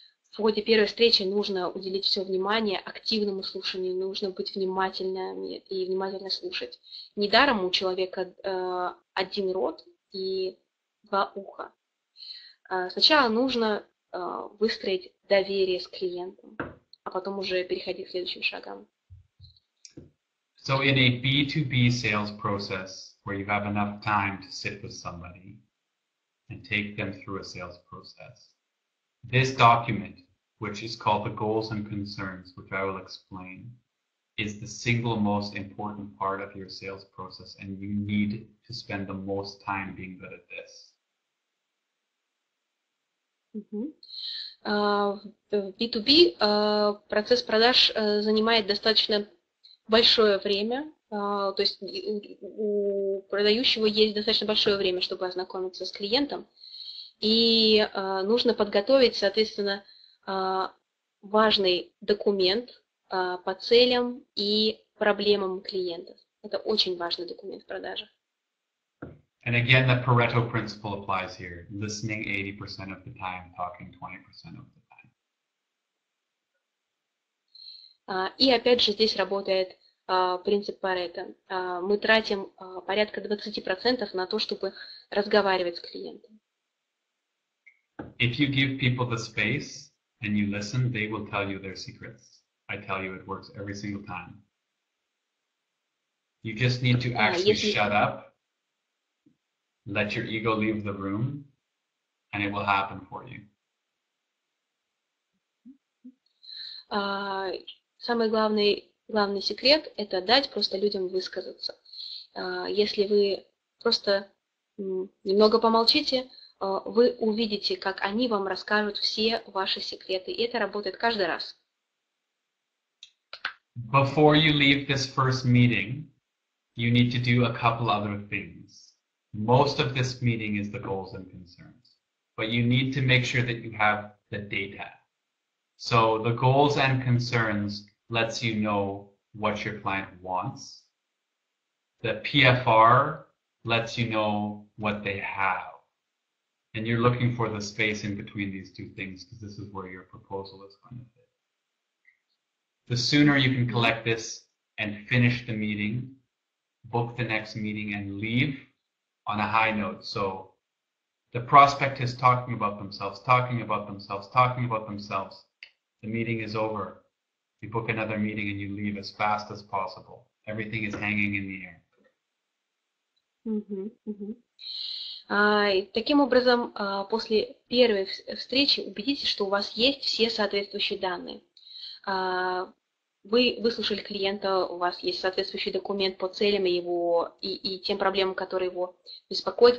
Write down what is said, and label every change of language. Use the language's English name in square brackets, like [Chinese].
[Russian] В ходе первой встречи нужно уделить все внимание активному слушанию, нужно быть внимательным и внимательно слушать. Недаром у человека один рот и два уха. Сначала нужно выстроить доверие с клиентом, а потом уже переходить к следующим шагам. [English] So in a B2B sales process, where you have enough time to sit with somebody and take them through a sales process, this document, which is called the goals and concerns, which I will explain, is the single most important part of your sales process, and you need to spend the most time being good at this. [Russian] В B2B процесс продаж занимает достаточно большое время, то есть у продающего есть достаточно большое время, чтобы ознакомиться с клиентом, и нужно подготовить, соответственно, важный документ по целям и проблемам клиентов. Это очень важный документ в продажах. [English] And again, the Pareto principle applies here. Listening 80% of the time, talking 20% of the time. [Russian] И опять же, здесь работает принцип Парето. Мы тратим порядка 20% на то, чтобы разговаривать с клиентом. [English] if you give people the space and you listen, they will tell you their secrets. I tell you, it works every single time. You just need to actually shut up, let your ego leave the room, and it will happen for you. [Russian] Самый главный секрет – это дать просто людям высказаться. Если вы просто немного помолчите, вы увидите, как они вам расскажут все ваши секреты. И это работает каждый раз. [English] Before you leave this first meeting, you need to do a couple other things. Most of this meeting is the goals and concerns. But you need to make sure that you have the data. So the goals and concerns lets you know what your client wants. The PFR lets you know what they have. And you're looking for the space in between these two things because this is where your proposal is going to fit. The sooner you can collect this and finish the meeting, book the next meeting and leave on a high note. So the prospect is talking about themselves, talking about themselves, talking about themselves. The meeting is over. You book another meeting and you leave as fast as possible. Everything is hanging in the air. [Russian] Таким образом, после первой встречи убедитесь, что у вас есть все соответствующие данные. Вы выслушали клиента, у вас есть соответствующий документ по целям его и тем проблемам, которые его беспокоят.